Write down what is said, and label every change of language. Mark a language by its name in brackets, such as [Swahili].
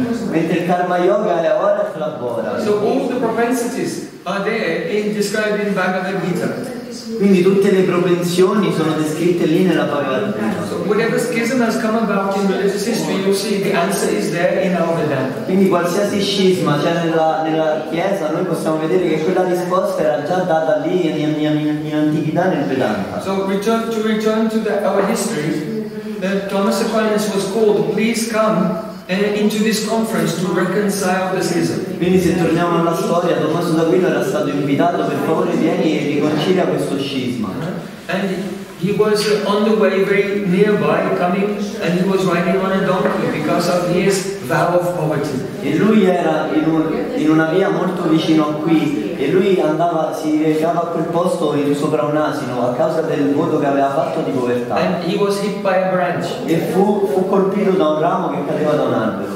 [Italian] Mentre il karma yoga è ora e labora. [English] So all the propensities are there in described in Bhagavad Gita. [Italian] Quindi tutte le propensioni sono descritte lì nella Bhagavad Gita. [English] Whatever schism has come about in religious history, you'll see the answer is there in our Vedanta. [Italian] Quindi qualsiasi scisma c'è nella Chiesa, noi possiamo vedere che quella risposta era già data lì in antichità nel Vedanta. [English] So to return to our history, Thomas Aquinas was called, please come into this conference to reconcile the schism. [Italian] Quindi se torniamo alla storia, Tommaso d'Aquino era stato invitato, per favore vieni e riconcilia questo scisma. [English] And he was on the way very nearby coming and he was riding on a donkey because of his vow of poverty. [Italian] E lui era in una via molto vicino a qui e lui andava, si recava a quel posto in sopra un asino a causa del voto che aveva fatto di povertà. [English] And he was hit by a branch. [Italian] E fu colpito da un ramo che cadeva da un albero.